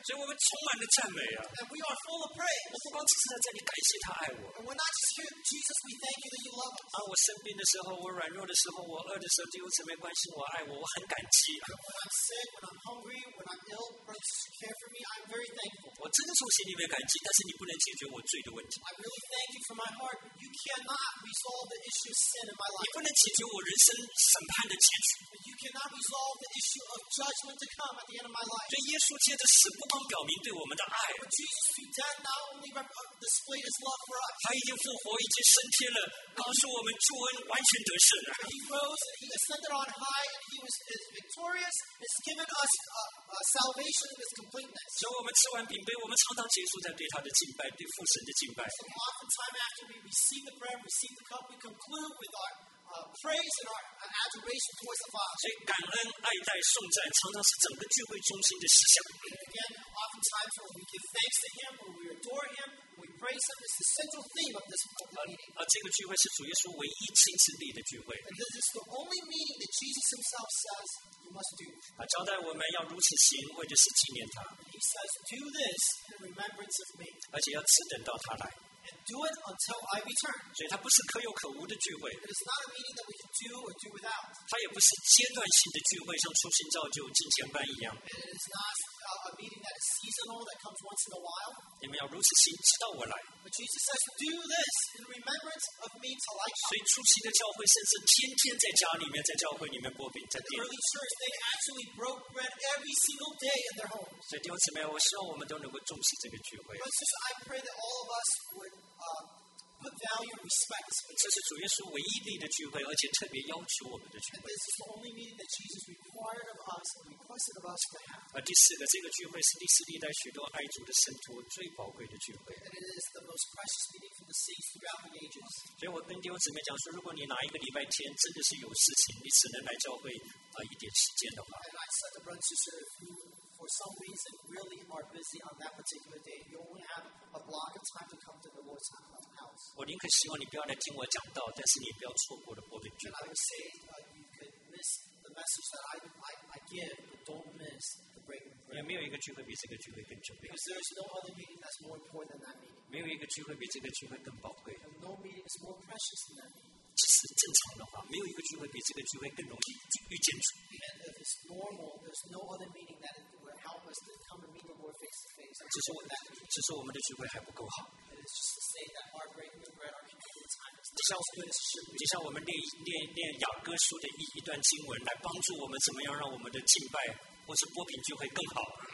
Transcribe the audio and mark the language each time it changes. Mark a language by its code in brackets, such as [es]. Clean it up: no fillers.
[zh] 所以我们充满了赞美啊。 [en] And we are full of praise. [zh] 我不光只是在这里感谢他爱我。 [en] And we're not just here, Jesus, we thank you that you love us. [zh] 我生病的时候，我软弱的时候，我饿的时候，弟兄姊妹关心我爱我，我很感激。 [en] When I'm sick, when I'm hungry, when I'm ill, brothers care for me, I'm very thankful. [zh] 我真的从心里面感激，但是你不能解决我罪的问题。 [en] I really thank you from my heart, but you cannot resolve the issue of sin in my life. [zh] 你不能解决我人生审判的结局。 [en] You cannot resolve the issue of judgment to come at the end of my life. [zh] 所以耶稣借着死不光表明对我们的爱。 [en] But Jesus through death not only displayed his love for us. [zh] 他已经复活，已经升天了，告诉我们救恩完全得胜。 [en] He rose and he ascended on high and he was victorious. He's given us salvation in his completeness. [zh] 所以我们吃完饼杯，我们常常结束在对他的敬拜，对父神的敬拜。 [en] So oftentimes after we receive the bread, receive the cup, we conclude with our praise and our adoration towards the Father. [zh] 所以感恩、爱戴、颂赞，常常是整个聚会中心的思想。 [en] Again, oftentimes when we give thanks to Him, when we adore Him, when we praise Him, it's the central theme of this meeting. [zh] 这个聚会是主耶稣唯一亲自立的聚会。 [en] And this is the only meeting that Jesus Himself says we must do. [zh] 交代我们要如此行，为的是纪念他。 [en] He says, "Do this in remembrance of me." [zh] 而且要只等到他来。 [en] Do it until I return. [zh] 所以它不是可有可无的聚会。 [en] It is not a meeting that we can do or do without. [zh] 它也不是阶段性的聚会，像初心造就、敬虔班一样。 [en] It is not a meeting that is seasonal that comes once in a while. [zh] 你们要如此行，直到我来。 [en] But Jesus says, "Do this in remembrance of me till I come." [zh] 所以初期的教会甚至天天在家里面，在教会里面擘饼，在店。 [en] The early church they actually broke bread every single day in their homes. [zh] 所以弟兄姊妹，我希望我们都能够重视这个聚会。 [en] But Jesus, I pray that all of us would. Put value and respect. [zh] 这是主耶稣唯一立的聚会，而且特别要求我们的聚会。 [en] And this is the only meeting that Jesus required of us and requested of us to have. [zh] 第四个，这个聚会是历史历代许多爱主的圣徒最宝贵的聚会。 [en] And it is the most precious meeting for the saints throughout the ages. [zh] 所以我跟弟兄姊妹讲说，如果你哪一个礼拜天真的是有事情，你只能来教会一点时间的话。 [en] And I said to brothers and sisters, if you for some reason really are busy on that particular day, you only have a block of time to come to the Lord's house. [zh] 我宁可希望你不要来听我讲道，但是你不要错过了播的聚会。 [en] And I would say, you could miss the message that I give, but don't miss the breaking bread. [zh] 没有一个聚会比这个聚会更重要。 [en] Because there is no other meeting that's more important than that meeting. [zh] 没有一个聚会比这个聚会更宝贵。 [en] And no meeting is more precious than that meeting. [zh] 这是正常的话，没有一个聚会比这个聚会更容易遇见主。 [en] And if it's normal, there's no other meeting that will help us to come and meet the Lord face to face. [zh] 只是我们的聚会还不够好。就像我们，念雅各书的一段经文，来帮助我们怎么样让我们的敬拜或是波饼就会更好。